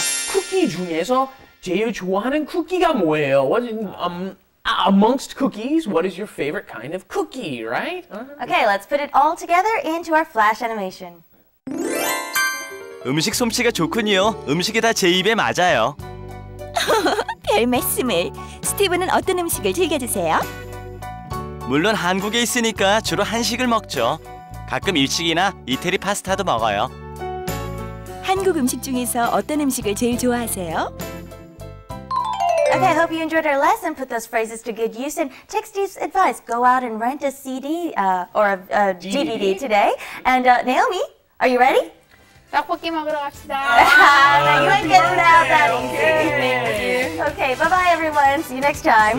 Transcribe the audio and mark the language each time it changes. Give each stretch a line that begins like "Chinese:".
Korean: 쿠키 중에서 제일 좋아하는 쿠키가 뭐예요?
English: Amongst cookies, what is your favorite kind of cookie, right? Okay, let's put it all together into our flash animation.
Korean: 음식 솜씨가 좋군요. 음식이 다 제 입에 맞아요. 별 말씀을. 스티븐은 어떤 음식을 즐겨 드세요? 물론 한국에 있으니까 주로 한식을 먹죠. 가끔 일식이나 이태리 파스타도 먹어요. 한국 음식 중에서 어떤 음식을 제일 좋아하세요?
English: Okay, I hope you enjoyed our lesson. Put those phrases to good use and take Steve's advice. Go out and rent a CD or a DVD today. And Naomi, are you ready?
Korean: 떡볶이 먹으러 갑시다.
English: You ain't getting out that easy. Thank you. Okay, bye-bye everyone. See you next time.